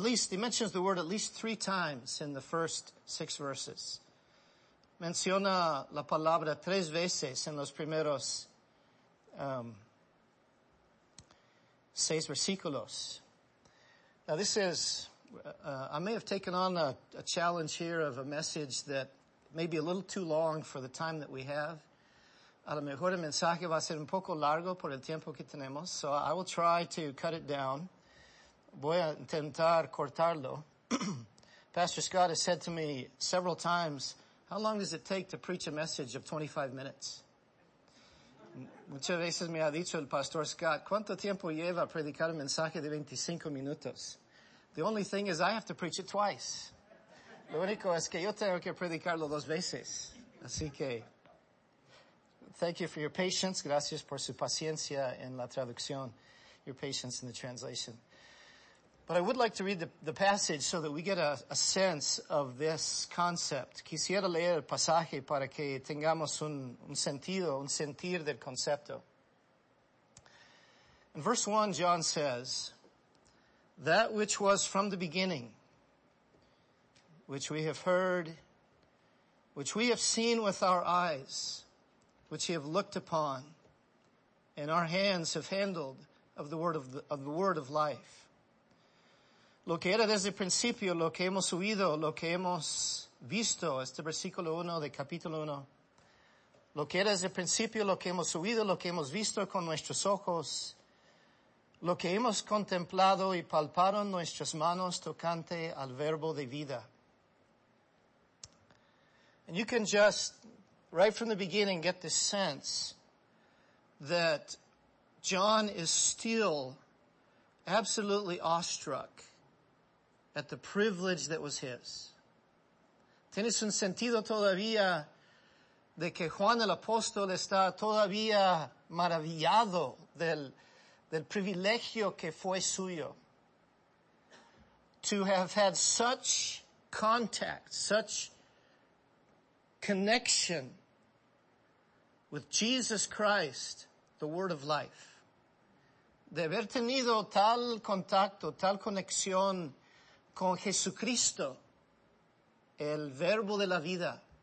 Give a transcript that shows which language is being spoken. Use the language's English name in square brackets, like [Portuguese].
[English] He mentions the word at least three times in the first six verses. [Spanish] Menciona la palabra tres veces en los primeros seis versículos. [English] Now this is, I may have taken on a challenge here of a message that may be a little too long for the time that we have. [Spanish] A lo mejor el mensaje va a ser un poco largo por el tiempo que tenemos, [English] so I will try to cut it down. [Spanish] Voy a intentar cortarlo. [English] Pastor Scott has said to me several times, how long does it take to preach a message of 25 minutes? [Spanish] Muchas veces me ha dicho el pastor Scott, ¿cuánto tiempo lleva a predicar un mensaje de 25 minutos? [English] The only thing is I have to preach it twice. [Spanish] Lo único es que yo tengo que predicarlo dos veces. Así que, [English] thank you for your patience. [Spanish] Gracias por su paciencia en la traducción. [English] Your patience in the translation. But I would like to read the passage so that we get a sense of this concept. [Spanish] Quisiera leer el pasaje para que tengamos un sentido, un sentir del concepto. [English] In verse 1, John says, that which was from the beginning, which we have heard, which we have seen with our eyes, which we have looked upon, and our hands have handled of the word of life. [Spanish] Lo que era desde el principio, lo que hemos oído, lo que hemos visto, este versículo 1 de capítulo 1. Lo que era desde el principio, lo que hemos oído, lo que hemos visto con nuestros ojos. Lo que hemos contemplado y palparon nuestras manos tocante al verbo de vida. [English] And you can just, right from the beginning, get this sense that John is still absolutely awestruck at the privilege that was his. [Spanish] ¿Tienes un sentido todavía de que Juan el apóstol está todavía maravillado del privilegio que fue suyo? To have had such contact, such connection with Jesus Christ, the Word of Life. De haber tenido tal contacto, tal conexión con Jesucristo, el verbo de la vida.